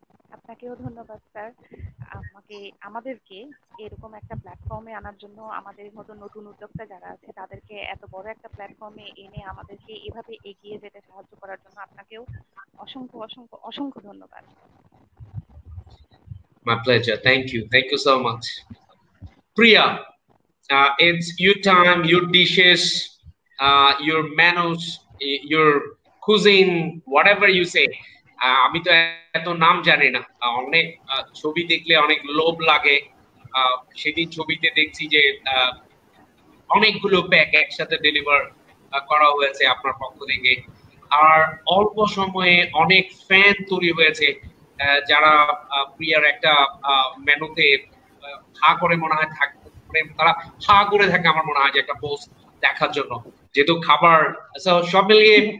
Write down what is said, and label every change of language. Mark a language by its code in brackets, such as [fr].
[bn] আপনাকেও ধন্যবাদ স্যার, আমাকে আমাদেরকে এরকম একটা প্ল্যাটফর্মে আনার জন্য, আমাদের মতো নতুন উদ্যোক্তা যারা আছে তাদেরকে এত বড় একটা প্ল্যাটফর্মে এনে আমাদেরকে এভাবে এগিয়ে যেতে সাহায্য করার জন্য আপনাকেও অসংখ্য অসংখ্য অসংখ্য ধন্যবাদ। [en] My pleasure. Thank you so much. Priya, it's your time, your dishes, your manners, your cuisine, whatever you say. [bn] আমি তো এত নাম জানি না, অনেক ছবি দেখলে অনেক লোভ লাগে, সেদিন ছবিতে দেখছি যে অনেকগুলো প্যাক একসাথে ডেলিভার করা হয়েছে আপনার পক্ষ থেকে, আর অল্প সময়ে অনেক ফ্যান তৈরি হয়েছে যারা প্রিয়ার একটা মেনুতে হা করে মনে হয় থাকে, তারা হা করে থাকে আমার মনে হয় যে একটা পোস্ট দেখার জন্য, যেহেতু খাবার সব মিলিয়ে